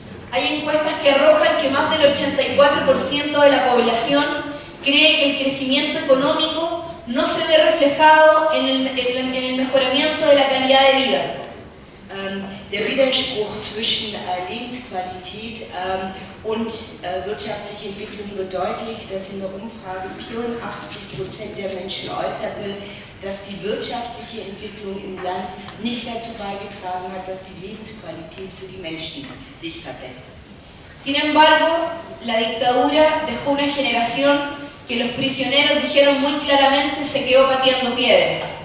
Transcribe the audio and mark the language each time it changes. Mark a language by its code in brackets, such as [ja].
[es] Hay encuestas que arrojan que más del 84% de la población cree que el crecimiento económico no se ve reflejado en el mejoramiento de la calidad de vida. [de] Der Widerspruch zwischen Lebensqualität und wirtschaftliche Entwicklung wird deutlich, dass in der Umfrage 84% der Menschen äußerten, dass die wirtschaftliche Entwicklung im Land nicht dazu beigetragen hat, dass die Lebensqualität für die Menschen sich verbessert. [es] Sin embargo, la dictadura dejó una generación que los prisioneros dijeron muy claramente se quedó pateando piedras.